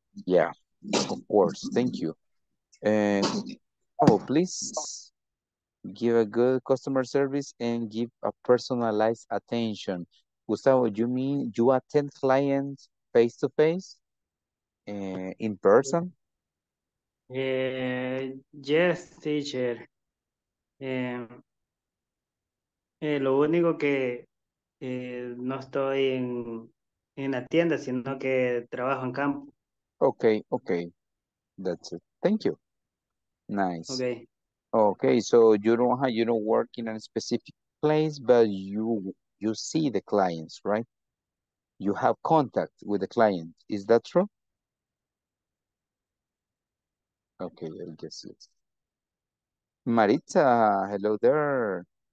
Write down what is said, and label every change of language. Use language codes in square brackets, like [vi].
[en] Yeah, of course. Thank you. Oh, please give a good customer service and give a personalized attention. Gustavo, you mean you attend clients face to face, in person? Yes, teacher. [es] Lo único que no estoy en la tienda, sino que trabajo en campo. [en] Okay, okay. That's it. Thank you. Nice. Okay. Okay, so you don't work in a specific place, but you see the clients, right? You have contact with the client. Is that true? Okay, I guess it's Maritza, hello there.